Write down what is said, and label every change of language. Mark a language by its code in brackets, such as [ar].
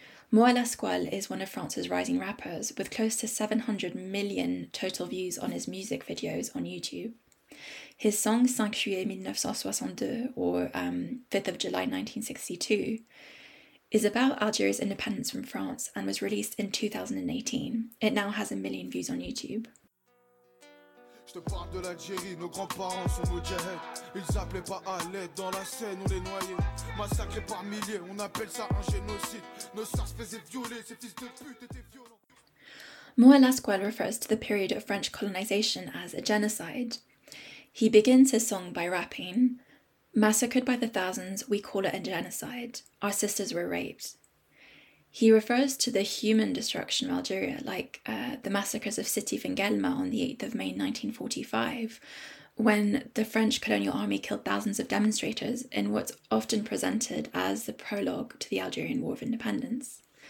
[en] Moi La Squale is one of France's rising rappers, with close to 700 million total views on his music videos on YouTube. His song 5 juillet 1962, or 5th of July 1962, is about Algeria's independence from France and was released in 2018. It now has 1 million views on YouTube. [fr] Je te parle de l'Algérie, nos grands-parents sont Moudjahed. Ils appelaient pas à l'aide, dans la Seine on les noyait. Massacrés par milliers, on appelle ça un génocide. Nos sœurs se faisaient violer, ces fils de pute étaient violents. [en] Moi La Squale refers to the period of French colonization as a genocide. He begins his song by rapping, "Massacred by the thousands, we call it a genocide. Our sisters were raped." He refers to the human destruction of Algeria, like the massacres of Siti Vengelma on the 8th of May 1945, when the French colonial army killed thousands of demonstrators in what's often presented as the prologue to the Algerian War of Independence.